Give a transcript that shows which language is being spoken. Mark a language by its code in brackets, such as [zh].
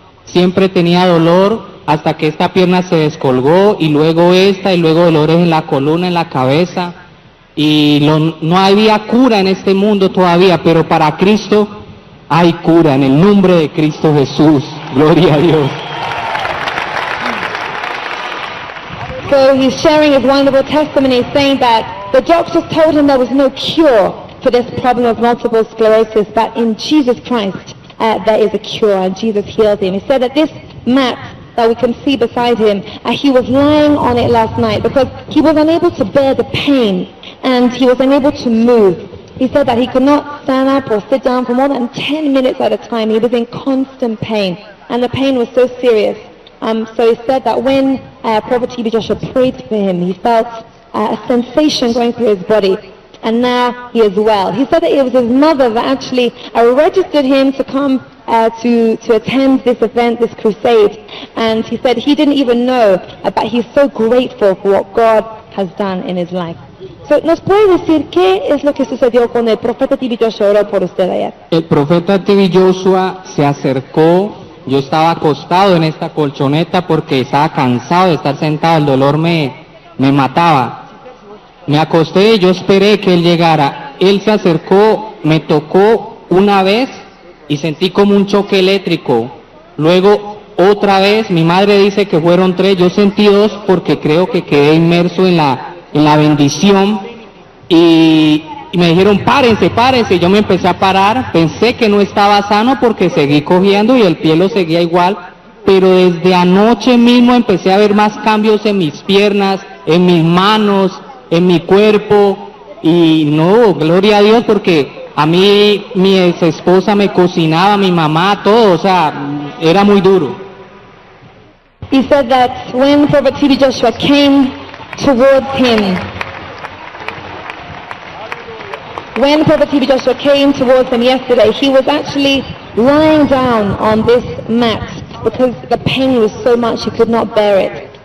[es] Siempre tenía dolor hasta que esta pierna se descolgó y luego esta y luego dolores en la columna, en la cabeza. Y no había cura en este mundo todavía, pero para Cristo hay cura en el nombre de Cristo Jesús. Gloria a Dios. [en] So he's sharing his wonderful testimony, saying that the doctors told him there was no cure for this problem of multiple sclerosis, but in Jesus Christ there is a cure, and Jesus healed him. He said that this mat that we can see beside him, he was lying on it last night because he was unable to bear the pain and he was unable to move. He said that he could not stand up or sit down for more than 10 minutes at a time. He was in constant pain, and the pain was so serious. So he said that when Prophet T.B. Joshua prayed for him, he felt a sensation going through his body, and now he is well. He said that it was his mother that actually registered him to come to attend this event, this crusade, and he said he didn't even know, but he's so grateful for what God has done in his life. [es] So, ¿nos puede decir qué es lo que sucedió con el profeta T.B. Joshua oró por usted ayer? El profeta T.B. Joshua se acercó, yo estaba acostado en esta colchoneta porque estaba cansado de estar sentado, el dolor me mataba. Me acosté, yo esperé que él llegara. Él se acercó, me tocó una vez y sentí como un choque eléctrico. Luego otra vez, mi madre dice que fueron tres, yo sentí dos porque creo que quedé inmerso en la bendición, y me dijeron párense, párense. Yo me empecé a parar, pensé que no estaba sano porque seguí cogiendo y el pie lo seguía igual, pero desde anoche mismo empecé a ver más cambios en mis piernas, en mis manos, en mi cuerpo. Y no, gloria a Dios, porque a mí mi ex esposa me cocinaba, mi mamá, todo, o sea, era muy duro. [en] He said that when Prophet TB Joshua came towards him, when Prophet TB Joshua came towards him yesterday, he was actually lying down on this mat because the pain was so much he could not bear it.